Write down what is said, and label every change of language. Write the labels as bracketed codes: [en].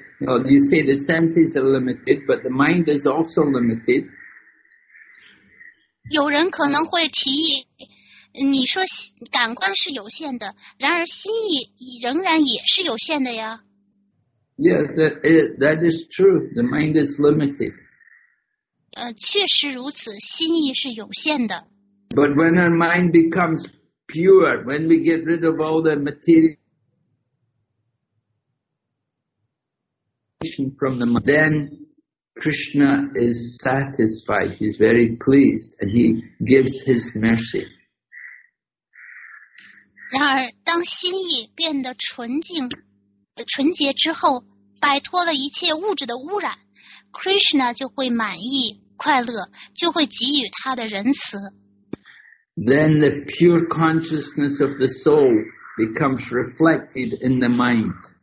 [en] You know, you say the senses are limited, but the mind is also limited. [zh] 有人可能会提议，你说感官是有限的，然而心意仍然也是有限的呀。 [en] Yeah, that is true. The mind is limited. [zh] 确实如此，心意是有限的。 [en] But when our mind becomes pure, when we get rid of all the material from the mind, then Krishna is satisfied. He's very pleased, and he gives his mercy. [zh] 然而，当心意变得纯净、纯洁之后，摆脱了一切物质的污染， Krishna 就会满意、快乐，就会给予他的仁慈。 [en] Then the pure consciousness of the soul becomes reflected in the mind.